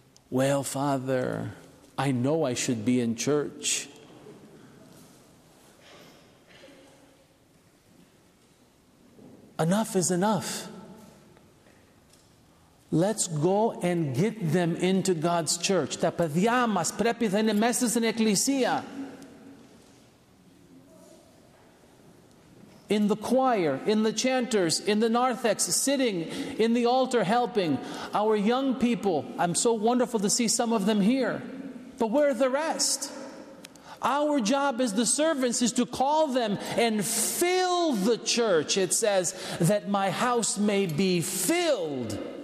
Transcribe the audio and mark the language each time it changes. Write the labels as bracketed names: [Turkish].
[English] Well, Father, I know I should be in church. Enough is enough. Let's go and get them into God's church. [Greek] Τα παιδιά μας πρέπει να είναι μέσα στην εκκλησία. [English] In the choir, in the chanters, in the narthex, sitting in the altar helping. Our young people, I'm so wonderful to see some of them here. But where are the rest? Our job as the servants is to call them and fill the church, it says, that my house may be filled.